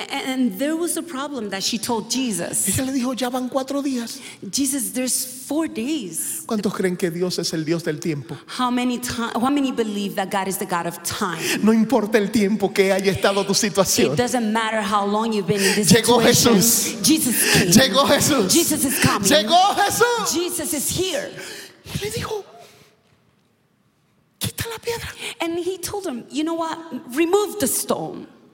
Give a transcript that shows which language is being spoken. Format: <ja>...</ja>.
<en>And there was a problem that she told Jesus.</en> <es>Ella le dijo, ya van 4 días.</es> <en>Jesus, there's 4 days.</en> <es>¿Cuántos creen que Dios es el Dios del tiempo?</es> <en>How many believe that God is the God of time?</en> <es>No importa el tiempo que haya estado tu situación.</es> <en>It doesn't matter how long you've been in this situation.</en> <es>Llegó Jesús.</es> <en>Jesus came.</en> <es>Llegó Jesús.</es> <en>Jesus is coming.</en> <es>Llegó Jesús.</es> <en>Jesus is here.</en> <es>Le dijo, quita la piedra.</es> <en>And he told him, you know what? Remove the stone.</en>